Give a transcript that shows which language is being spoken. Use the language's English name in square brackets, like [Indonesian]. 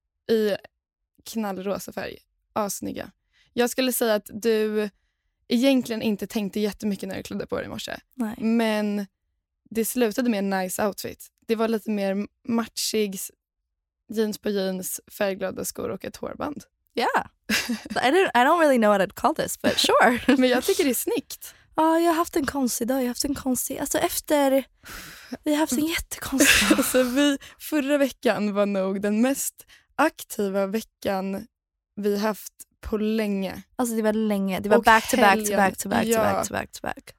[Swedish] I knallrosa färg. Asnygga. Jag skulle säga att du egentligen inte tänkte jättemycket när du klädde på dig i morse. Nej. Men det slutade med en nice outfit. Det var lite mer matchig jeans på jeans, färgglada skor och ett hårband. Yeah. [English] I don't really know what I'd call this, but sure. [Swedish] Men jag tycker det är snyggt. Ja, jag har haft en konstig dag. Alltså efter... Vi har haft en jättekonstig dag. Alltså förra veckan var nog den mest aktiva veckan vi haft på länge. Alltså det var länge. Det var och [English] back to back to back to back, ja, to back to back to back.